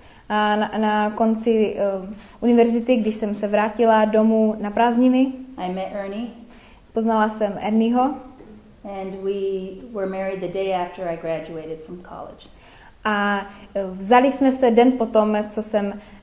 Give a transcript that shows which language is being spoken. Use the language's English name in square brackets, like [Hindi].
[Czech] A na konci univerzity, když jsem se vrátila domů na prázdniny. [English] I met Ernie. [Czech] Poznala jsem Ernieho. [English] And we were married the day after I graduated from college. [Czech] A vzali jsme se den potom, co jsem